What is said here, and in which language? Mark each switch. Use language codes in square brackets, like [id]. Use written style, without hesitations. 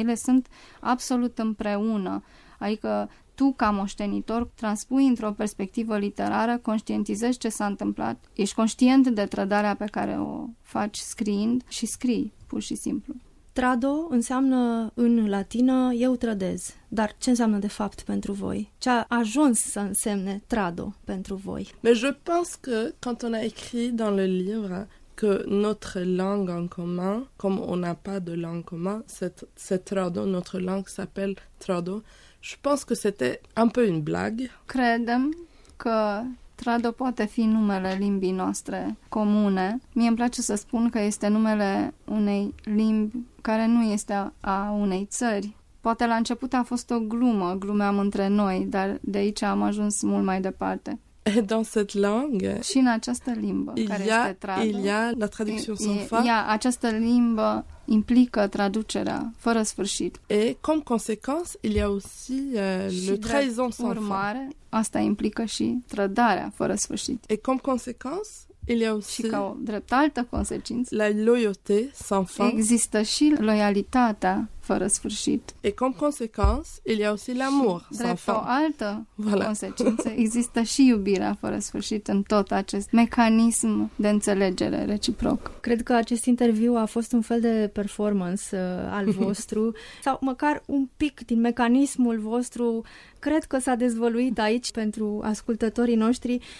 [ro] Ele sunt absolut împreună, adică tu, ca moștenitor, transpui într-o perspectivă literară, conștientizezi ce s-a întâmplat, ești conștient de trădarea pe care o faci scriind și scrii, pur și simplu. Trado înseamnă în latină eu trădez, dar ce înseamnă de fapt pentru voi? Ce a ajuns să însemne trado pentru voi? [fr] Mais je pense que quand on a écrit dans le livre que notre langue en commun, comme on n'a pas de langue commun, c'est trado, notre langue s'appelle trado, je pense que c'était un peu une blague. [ro] Credem că trado poate fi numele limbii noastre comune. Mie îmi place să spun că este numele unei limbi care nu este a unei țări. Poate la început a fost o glumă, glumeam între noi, dar de aici am ajuns mult mai departe. [fr] Dans cette langue, [ro] și în această limbă care este trado, [fr] il y a la traduction sans fin. [ro] Această limbă implică traducerea fără sfârșit. [fr] Et comme conséquence, il y a aussi le trahison sans fin. [ro] Urmare, asta implică și trădarea fără sfârșit. [fr] Et comme conséquence, il y a aussi [ro] și ca o drept altă consecință, [fr] la loyauté sans fin. [ro] Există și loialitatea fără sfârșit. [fr] Et comme conséquence, il y a aussi l'amour sans fin. [ro] Drept o altă consecință, există și iubirea fără sfârșit în tot acest mecanism de înțelegere reciproc. Cred că acest interviu a fost un fel de performance al vostru, sau măcar un pic din mecanismul vostru. Cred că s-a dezvăluit aici pentru ascultătorii noștri.